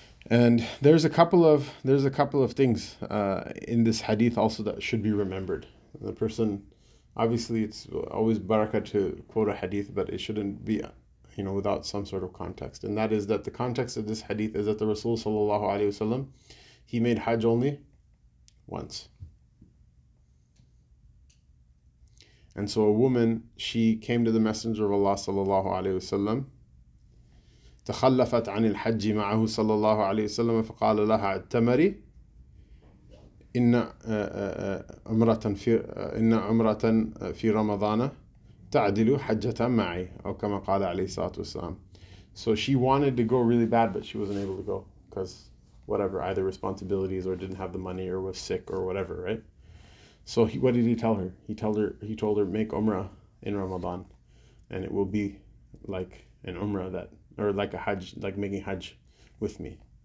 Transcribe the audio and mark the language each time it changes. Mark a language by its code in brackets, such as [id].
[en] And there's a couple of things in this hadith also that should be remembered. The person, obviously it's always barakah to quote a hadith, but it shouldn't be, you know, without some sort of context. And that is that the context of this hadith is that the Rasul Sallallahu Alaihi Wasallam, he made Hajj only once. And so a woman, she came to the Messenger of Allah Sallallahu Alaihi Wasallam, [ar] تخلفت عن الحج معه صلى الله عليه وسلم فقال لها التمري إن عمرة في رمضان تعدل حجة معي أو كما قال عليه الصلاة والسلام. [en] So she wanted to go really bad, but she wasn't able to go because whatever, either responsibilities or didn't have the money or was sick or whatever, right? So what did he tell her? He told her make Umrah in Ramadan, and it will be like an Umrah that, or like a Hajj, like making Hajj with me.